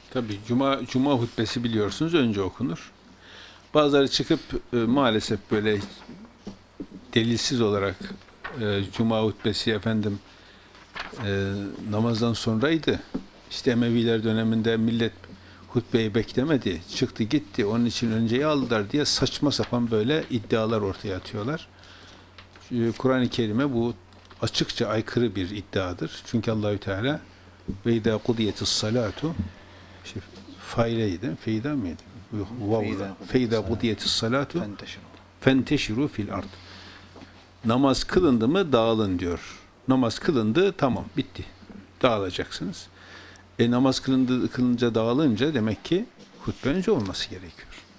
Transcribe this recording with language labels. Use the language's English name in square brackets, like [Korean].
[Turkish] Tabii cuma hutbesi biliyorsunuz önce okunur. Bazıları çıkıp maalesef böyle delilsiz olarak cuma hutbesi efendim namazdan sonraydı. İşte Emeviler döneminde millet hutbeyi beklemedi, çıktı gitti, onun için önceyi aldılar diye saçma sapan böyle iddialar ortaya atıyorlar. Kur'an-ı Kerim'e bu açıkça aykırı bir iddiadır. Çünkü Allah-u Teala [Arabic] وَاِذَا قُضِيَتِ الصَّلَاتُ فَاِذَا مِيدِ وَاِذَا قُضِيَتِ الصَّلَاتُ فَاَنْتَشِرُوا فِي الْاَرْضِ [Turkish] Namaz kılındı mı dağılın diyor. Namaz kılındı, tamam, bitti. Dağılacaksınız. Namaz kılınca dağılınca demek ki hutbe önce olması gerekiyor.